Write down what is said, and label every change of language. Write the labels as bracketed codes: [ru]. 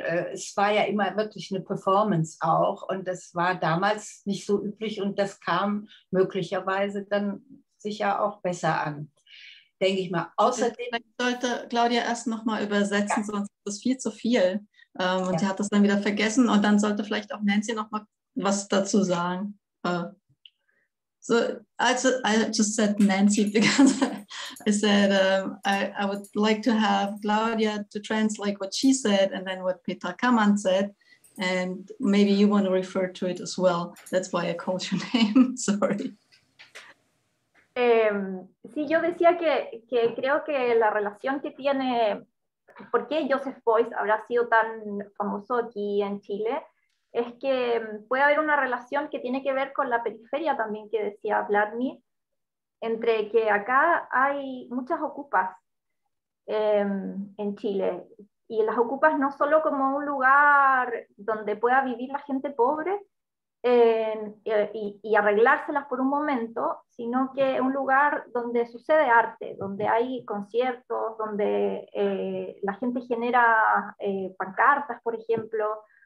[de] Es war ja immer wirklich eine Performance auch und das war damals nicht so üblich und das kam möglicherweise dann sicher auch besser an, denke ich mal. Außerdem, ich sollte Claudia erst nochmal übersetzen, ja. Sonst ist das viel zu viel und ja. Sie hat das dann wieder vergessen und dann sollte vielleicht auch Nancy nochmal was dazu sagen. [en] So, I just said Nancy because I said I would like to have Claudia to translate what she said and then what Peter Kammann said, and maybe you want to refer to it as well. That's why I called your name. Sorry. [es] Sí, yo decía que creo que la relación que tiene, por qué Joseph Beuys habrá sido tan famoso aquí en Chile. Es que puede haber una relación que tiene que ver con la periferia también que decía Vladimir, entre que acá hay muchas ocupas en Chile, y las ocupas no solo como un lugar donde pueda vivir la gente pobre y arreglárselas por un momento, sino que un lugar donde sucede arte, donde hay conciertos, donde la gente genera pancartas, por ejemplo.